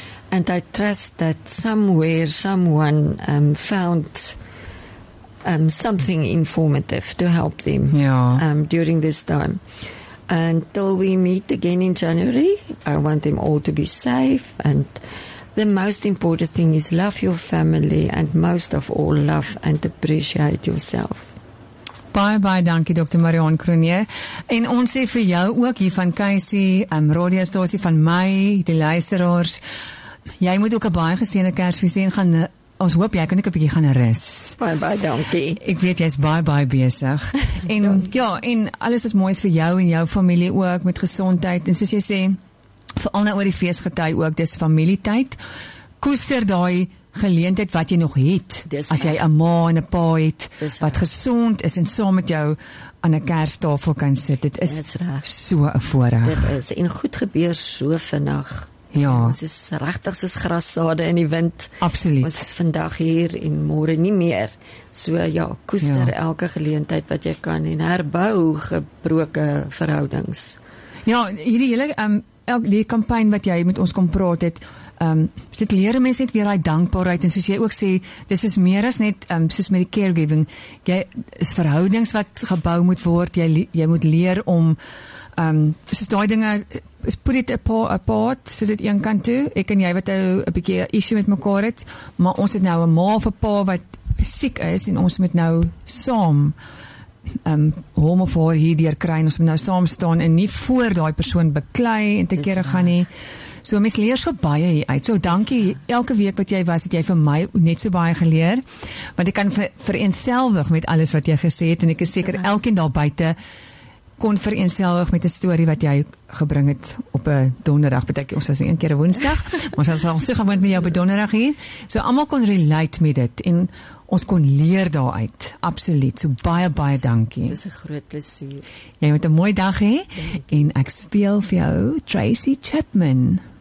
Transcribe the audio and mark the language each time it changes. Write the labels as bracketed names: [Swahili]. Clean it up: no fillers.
[English] And I trust that somewhere, someone found something informative to help them during this time. Until we meet again in January, I want them all to be safe. And the most important thing is love your family, and most of all, love and appreciate yourself. Bye bye, dankie Dr. Marion Cronje. [Afrikaans] En ons sê vir jou ook hier van Casey, radiostasie van my, die luisteraars, jy moet ook 'n baie geseënde Kersfees hê en gaan. Ons hoop jy kan ook 'n bietjie gaan rus. Baie baie dankie. Ek weet jy's baie baie besig. En ja, en alles wat mooi is vir jou en jou familie ook, met gesondheid. En soos jy sê, veral nou oor die feesgety ook, dis familietyd. Koester daai geleentheid wat jy nog het. Dis as jy 'n ma en 'n pa het wat gesond is en saam met jou aan 'n kerstafel kan sit. Dit is so 'n voorreg. Dit is en goed gebeur so vinnig. Ja. Ons is regtig soos grassade in die wind. Absoluut. Ons is vandag hier en môre nie meer. So ja, koester ja. elke geleentheid wat jy kan en herbou gebroke verhoudings. Ja, hierdie hele die kampanje wat jy met ons kom praat het, dit leer mense net weer daai dankbaarheid en soos jy ook sê, dis is meer as net soos met die caregiving. Jy is verhoudings wat gebou moet word. Jy moet leer om soos daai dinge put it apart, sit dit een kant toe. Ek en jy wat 'n bietjie issue met mekaar het, maar ons het nou 'n ma of 'n pa wat siek is en ons moet nou saam hom of haar hier deur kry. Ons moet nou saam staan en nie voor daai persoon beklei en te kere gaan nie. So mens leer so baie hier uit. So dankie elke week wat jy was, het jy vir my net so baie geleer. Want ek kan vereenselwig met alles wat jy gesê het en ek is seker elkeen daar buite kon vereenselwig met 'n storie wat jy gebring het op 'n donderdag, beteken ons was een keer 'n Woensdag. Ons was al so gewoond met jou op 'n donderdag hier. So almal kon relate met dit en ons kon leer daaruit. Absoluut. So baie baie dankie. Dis 'n groot plesier. Jy moet 'n mooi dag hê en ek speel vir jou Tracy Chapman.